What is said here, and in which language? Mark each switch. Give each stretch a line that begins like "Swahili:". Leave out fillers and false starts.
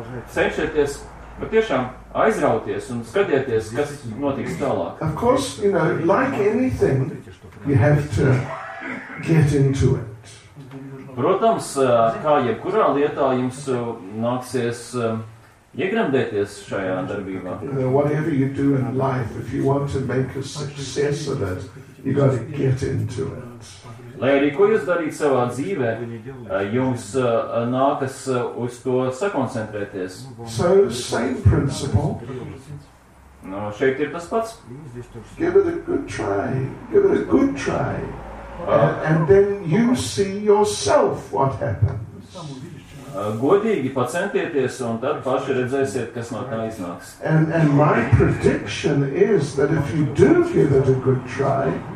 Latvian: Cenšieties, bet tiešām aizrauties un skatieties, kas notiks tālāk.
English: Of course, you know, like anything, you have to get into it.
Latvian: Protams, kā jebkurā lietā jums nāksies iegremdēties šajā darbībā.
English: Whatever you do in life, if you want to make a success of it, you got to get into it.
Latvian: Lai arī ko jūs darīt savā dzīvē, jums nākas uz to sakoncentrēties.
English: So, same principle.
Latvian: No, šeit ir tas pats.
English: Give it a good try. Give it a good try. And then you see yourself what happens.
Latvian: Godīgi pacentieties un tad paši redzēsiet, kas no tā iznāks.
English: And my prediction is that if you do give it a good try,